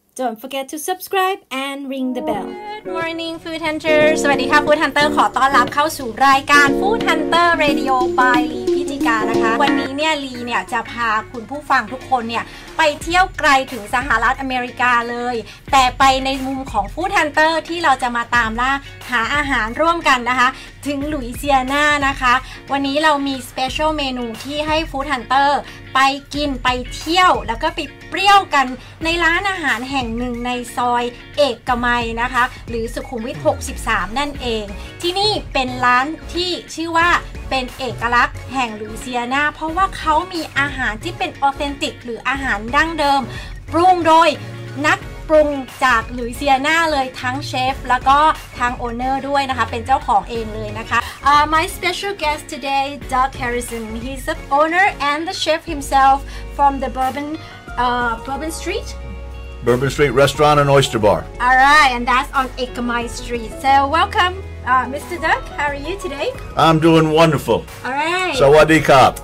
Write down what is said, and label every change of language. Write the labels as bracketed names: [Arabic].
[English] Don't forget to subscribe and ring the bell. Good morning, Food Hunter. [Thai] สวัสดีค่ะ [English] Food Hunter. [Thai] ขอต้อนรับเข้าสู่รายการ Food Hunter Radio by Lee พิจิกานะคะวันนี้เนี่ย Lee เนี่ยจะพาคุณผู้ฟังทุกคนเนี่ยไปเที่ยวไกลถึงสหรัฐอเมริกาเลยแต่ไปในมุมของ Food Hunter ที่เราจะมาตามล่าหาอาหารร่วมกันนะคะถึงหลุยเซียนานะคะวันนี้เรามีสเปเชียลเมนูที่ให้ Food Hunter ไปกินไปเที่ยวแล้วก็ไปเปรี้ยวกันในร้านอาหารแห่งหนึ่งในซอยเอกมัยนะคะหรือสุขุมวิท63นั่นเองที่นี่เป็นร้านที่ชื่อว่าเป็นเอกลักษณ์แห่งลุยเซียนาเพราะว่าเขามีอาหารที่เป็นออเทนติกหรืออาหารดั้งเดิมปรุงโดยนักปรุงจากลุยเซียนาเลยทั้งเชฟแล้วก็ทางโอเนอร์ด้วยนะคะเป็นเจ้าของเองเลยนะคะ [English] My special guest today, Doug Harrison. He's the owner and the chef himself from the Bourbon Street? Bourbon Street Restaurant and Oyster Bar. All right, and that's on Ekamai Street. So welcome, Mr. Doug. How are you today? I'm doing wonderful. All right. [Thai] Sawadee ka.